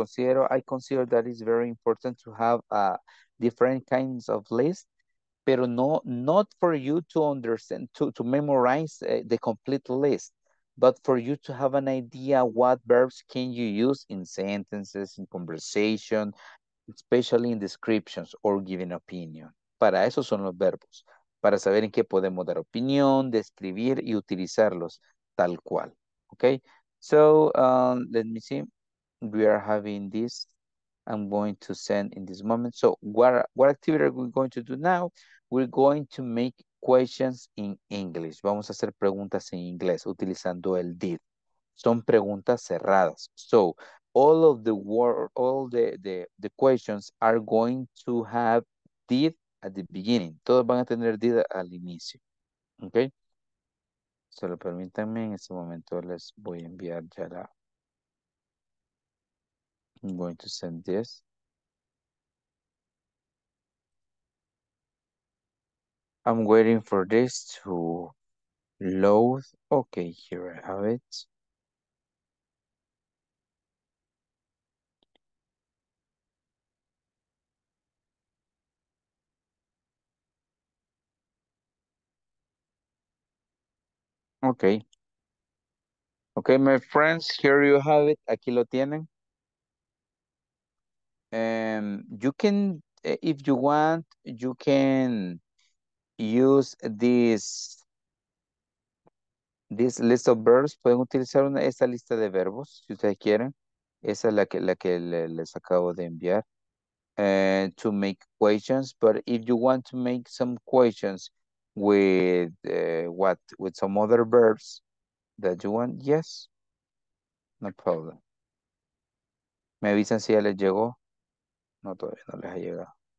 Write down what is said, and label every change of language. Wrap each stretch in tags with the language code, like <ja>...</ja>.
<en>Considero, I consider that it's very important to have different kinds of lists,</en> <es>pero no,</es> <en>not for you to understand, to memorize the complete list, but for you to have an idea what verbs can you use in sentences, in conversation, especially in descriptions or giving opinion.</en> <es>Para eso son los verbos, para saber en qué podemos dar opinión, describir y utilizarlos tal cual, okay?</es> <en>So, let me see, we are having this, I'm going to send in this moment. So, what activity are we going to do now? We're going to make questions in English.</en> <es>Vamos a hacer preguntas en inglés utilizando el did. Son preguntas cerradas.</es> <en>So, all of the word, all the questions are going to have did at the beginning.</en> <es>Todos van a tener did al inicio, okay? Solo permítanme, en este momento les voy a enviar ya la...</es> <en>I'm going to send this. I'm waiting for this to load. Okay, here I have it. Okay. Okay, my friends, here you have it.</en> <es>Aquí lo tienen.</es> <en>You can, if you want, you can use this list of verbs.</en> <es>Pueden utilizar esta lista de verbos, si ustedes quieren. Esa es la que les acabo de enviar.</es> <en>To make questions. But if you want to make some questions, with some other verbs that you want, yes, no problem.</en> <es>Me avisan si ya les llegó. No, todavía no les ha llegado.</es>